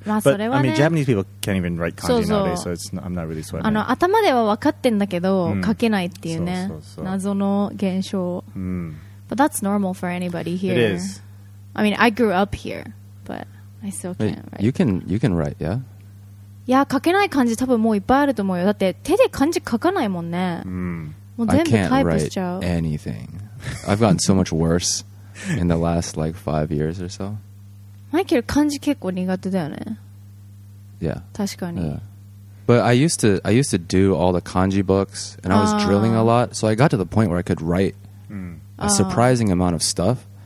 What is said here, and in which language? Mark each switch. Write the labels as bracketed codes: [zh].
[en] But I mean, Japanese people can't even write kanji nowadays, so it's not, I'm not really sweating. [ja] あの、頭では分かってんだけど、書けないっていうね、謎の現象。 [en] But that's normal for anybody here. It is. I mean, I grew up here, but I still can't write. You can write, yeah? [ja] いや、書けない漢字多分もういっぱいあると思うよ。だって手で漢字書かないもんね。もう全部タイプしちゃう。 [en] I can't write anything. I've gotten so much worse in the last like 5 years or so. [ja] マイケル、漢字結構苦手だよね。 [en] Yeah. [ja] 確かに。 [en] Yeah. But I used to do all the kanji books, and I was drilling a lot, so I got to the point where I could write a surprising amount of stuff.